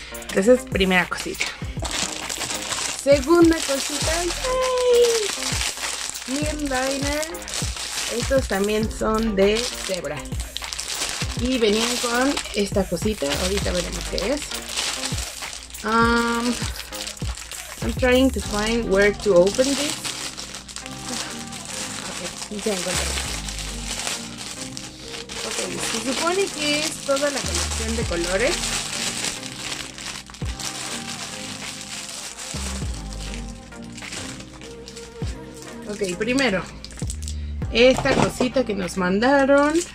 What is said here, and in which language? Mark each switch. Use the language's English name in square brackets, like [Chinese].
[Spanish] Entonces, primera cosita. Segunda cosita, ¡yay! Mirn Diner. Estos también son de cebra. Y venían con esta cosita, ahorita veremos qué es. [English] I'm trying to find where to open this. [Spanish] Okay, ya encontré. Okay, se supone que es toda la colección de colores. Okay, primero, esta cosita que nos mandaron.